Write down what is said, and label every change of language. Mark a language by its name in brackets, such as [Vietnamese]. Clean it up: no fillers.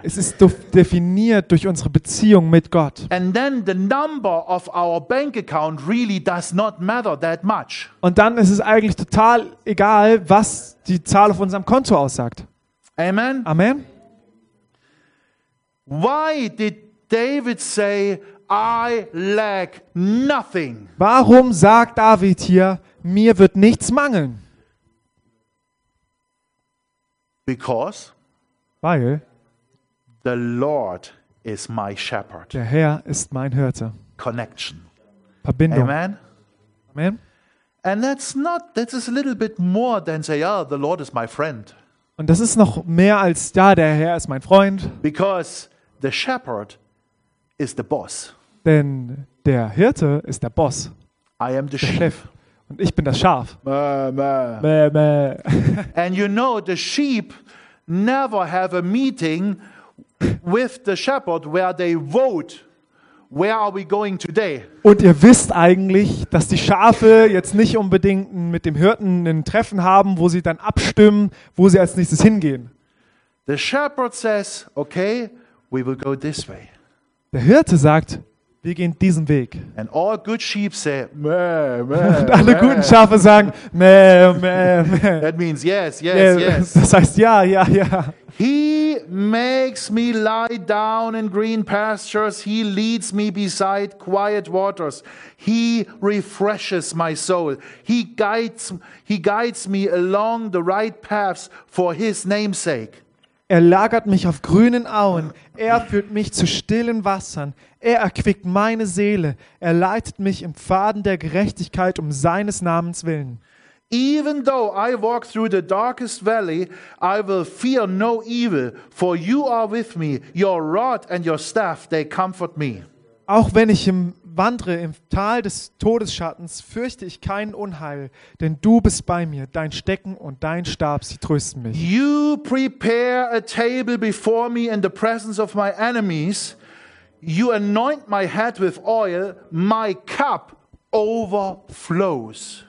[German] Es ist definiert durch unsere Beziehung mit Gott. [English] And then the number of our bank account really does not matter that much. [German] Und dann ist es eigentlich total egal, was die Zahl auf unserem Konto aussagt. [English] Amen. [German] Amen. [English] Why did David say I lack nothing? [German] Warum sagt David hier, mir wird nichts mangeln? [English] Because, [German] weil [English] the Lord is my shepherd. [German] Der Herr ist mein Hirte. [English] Connection. [German] Verbindung. [English] Amen. [German] Amen. [English] And that's a little bit more than say, oh, the Lord is my friend. [German] Und das ist noch mehr als ja, der Herr ist mein Freund. [English] Because the shepherd is the boss. [German] Denn der Hirte ist der Boss. [English] I am the Chef. [German] Und ich bin das Schaf. [English] And you know, the sheep never have a meeting with the shepherd where they vote. Where are we going today? [German] Und ihr wisst eigentlich, dass die Schafe jetzt nicht unbedingt mit dem Hirten ein Treffen haben, wo sie dann abstimmen, wo sie als nächstes hingehen. [English] The shepherd says, okay, we will go this way. [German] Der Hirte sagt, wir gehen diesen Weg. [English] And all good sheep say, meh, [German] meh, und alle meh. Guten Schafe sagen, meh, meh, meh. [English] That means yes, yes, yes. [German] Das heißt ja, ja, ja. [English] He makes me lie down in green pastures. He leads me beside quiet waters. He refreshes my soul. He guides me along the right paths for his namesake. [German] Er lagert mich auf grünen Auen. Er führt mich zu stillen Wassern. Er erquickt meine Seele. Er leitet mich im Pfaden der Gerechtigkeit um seines Namens willen. [English] Even though I walk through the darkest valley, I will fear no evil, for you are with me. Your rod and your staff, they comfort me. [German] Auch wenn ich wandre im Tal des Todesschattens, fürchte ich kein Unheil, denn du bist bei mir. Dein Stecken und dein Stab, sie trösten mich. [English] You prepare a table before me in the presence of my enemies. You anoint my head with oil. My cup overflows.